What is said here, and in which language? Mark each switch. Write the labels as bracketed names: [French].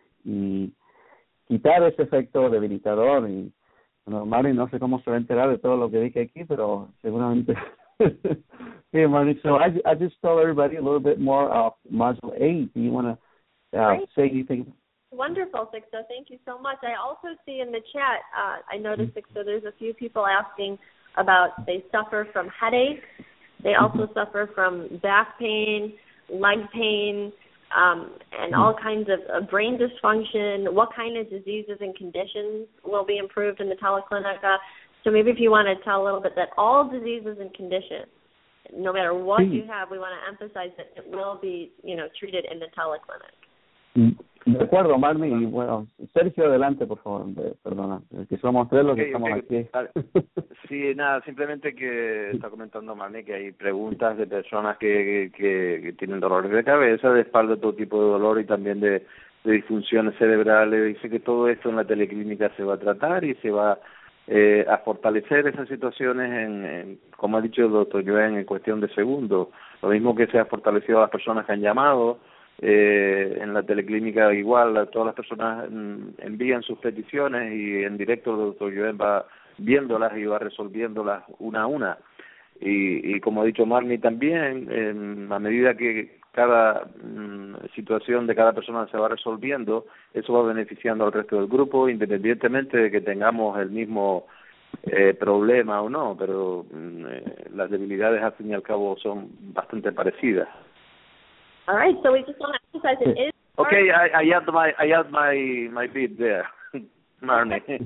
[Spanish] Y quitar ese efecto debilitador. Y bueno, Mari, no sé cómo se va a enterar de todo lo que dije aquí, pero seguramente. [English] Sí, Mari, so I just told everybody a little bit more of Module 8. Do you want to say anything? Wonderful, Sixto. Thank you so much. I also see in the chat, I noticed, Sixto, there's a few people asking about they suffer from headaches. They also suffer from back pain, leg pain, and all kinds of brain dysfunction. What kind of diseases and conditions will be improved in the teleclinic? So maybe if you want to tell a little bit that all diseases and conditions, no matter what you have, we want to emphasize that it will be, treated in the teleclinic. Mm-hmm. [Spanish] De acuerdo, Marmi, y bueno, Sergio, adelante, por favor, perdona, que somos tres los que estamos aquí. Vale. Sí, nada, simplemente que está comentando Marmi que hay preguntas de personas que tienen dolores de cabeza, de espalda, todo tipo de dolor y también de disfunciones cerebrales. Dice que todo esto en la teleclínica se va a tratar y se va a fortalecer esas situaciones en, como ha dicho el doctor Joan, en cuestión de segundos. Lo mismo que se ha fortalecido a las personas que han llamado, en la teleclínica igual, todas las personas envían sus peticiones y en directo el doctor Joan va viéndolas y va resolviéndolas una a una. Y como ha dicho Marmi también, a medida que cada situación de cada persona se va resolviendo, eso va beneficiando al resto del grupo, independientemente de que tengamos el mismo problema o no, pero las debilidades al fin y al cabo son bastante parecidas. [English] All right, so we just want to emphasize it. It's okay, I have my beat there, Marnie.